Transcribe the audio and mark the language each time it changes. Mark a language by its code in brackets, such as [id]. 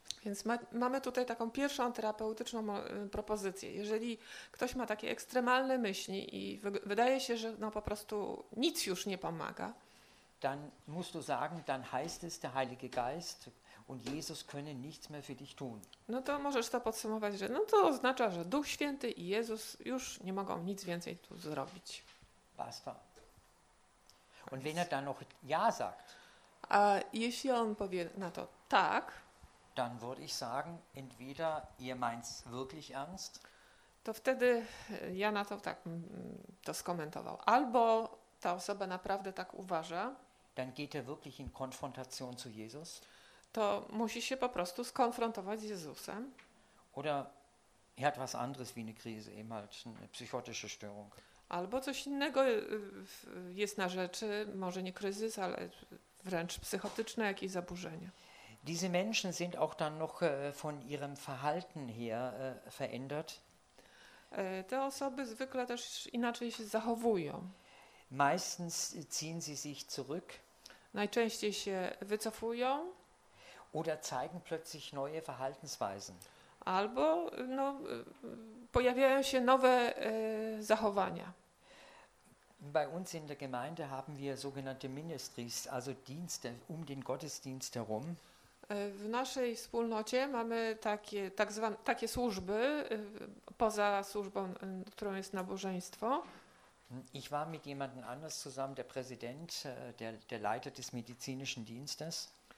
[pl] Więc mamy tutaj taką pierwszą terapeutyczną propozycję. Jeżeli ktoś ma takie ekstremalne myśli i wydaje się, że no po prostu nic już nie pomaga, [de] dann musst du sagen, dann heißt es, der Heilige Geist und Jesus können nichts mehr für dich tun. [pl] No to możesz to podsumować, że no to oznacza, że Duch Święty i Jezus już nie mogą nic więcej tu zrobić. [de] Basta. Und wenn er dann noch ja sagt, [pl] a jeśli on powie na to tak, [de] dann würde ich sagen, entweder ihr meint's wirklich ernst, [pl] to wtedy ja na to tak to skomentował, albo ta osoba naprawdę tak uważa, [de] dann geht er wirklich in Konfrontation zu Jesus, [pl] to musi się po prostu skonfrontować z Jezusem, [de] oder er hat was anderes wie eine Krise, eben halt eine psychotische Störung. [pl] Albo coś innego jest na rzeczy, może nie kryzys, ale wręcz psychotyczne jakieś zaburzenie. [de] Diese Menschen sind auch dann noch von ihrem Verhalten her verändert. [pl] Te osoby zwykle też inaczej się zachowują. [de] Meistens ziehen sie sich zurück. [pl] Najczęściej się wycofują. [de] Oder zeigen plötzlich neue Verhaltensweisen. [pl] Albo no, pojawiają się nowe zachowania. [de] Bei uns in der Gemeinde haben wir sogenannte Ministries, also Dienste um den Gottesdienst herum. [pl] W naszej wspólnocie mamy takie służby poza służbą, którą jest nabożeństwo. [de] Ich war mit jemandem anders zusammen, der Präsident, der Leiter des medizinischen Dienstes.